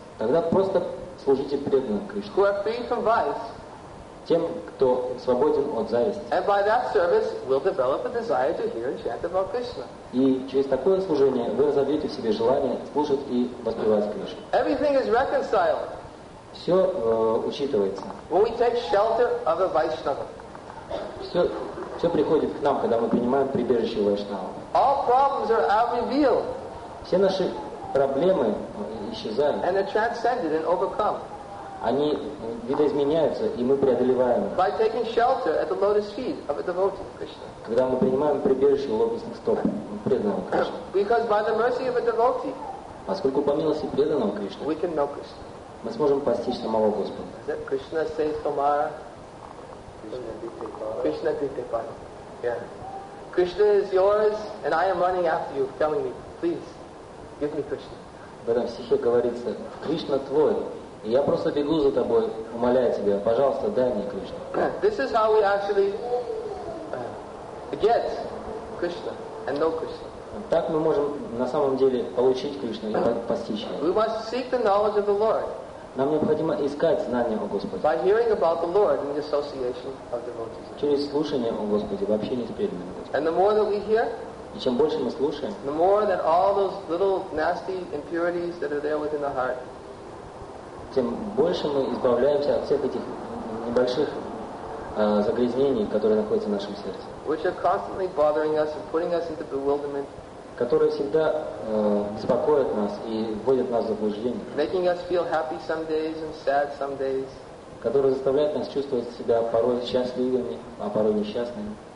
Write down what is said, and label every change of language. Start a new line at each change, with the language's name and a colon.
Russian: Тогда просто служите преданным Кришне.
English: Who are free from vice.
Russian: Тем, кто свободен от зависти.
English: And by that service, we'll develop a desire to hear and chant about Krishna.
Russian: И через такое служение вы разовьете в себе желание слушать и воспевать Кришну.
English: Everything is reconciled.
Russian: Все учитывается.
English: When we take shelter of a Vaishnava.
Russian: Все приходит к нам, когда мы принимаем прибежище у Вайшнава.
English: All problems are revealed.
Russian: Все наши проблемы исчезают.
English: And they're transcended and overcome.
Russian: Они видоизменяются, и мы преодолеваем их.
English: By taking shelter at the lotus feet of a devotee of Krishna.
Russian: Когда мы принимаем прибежище у лотосных стоп преданного Кришны.
English: Because by the mercy of a devotee,
Russian: поскольку по милости преданного Кришны,
English: we can know Krishna.
Russian: Мы сможем постичь самого Господа.
English: Is that Krishna says
Bangla: Tomara? Krishna dite para. Krishna dite para.
English: Yeah. Krishna is yours, and I am running after you, telling me, please, give me Krishna.
Russian: В этом стихе говорится, Кришна твой. И я просто бегу за тобой, умоляю тебя, пожалуйста, дай мне Кришну.
English: This is how we actually get Krishna and know Krishna.
Russian: Так мы можем на самом деле получить Кришну и постичь его.
English: We must seek the knowledge of the Lord.
Russian: Нам необходимо искать знания о Господе.
English: By hearing about the Lord in the association of devotees.
Russian: Через слушание о Господе, в общении с преданными Господом.
English: And the more that we hear,
Russian: и чем больше мы слушаем,
English: the more that all those little nasty impurities that are there within the heart,
Russian: тем больше мы избавляемся от всех этих небольших загрязнений, которые находятся в нашем сердце.
English: Which are constantly bothering us and putting us into bewilderment.
Russian: Которые всегда беспокоят нас и вводят нас в заблуждение.
English: Making us feel happy some days and sad some days.
Russian: Которые заставляют нас чувствовать себя порой счастливыми, а порой несчастными.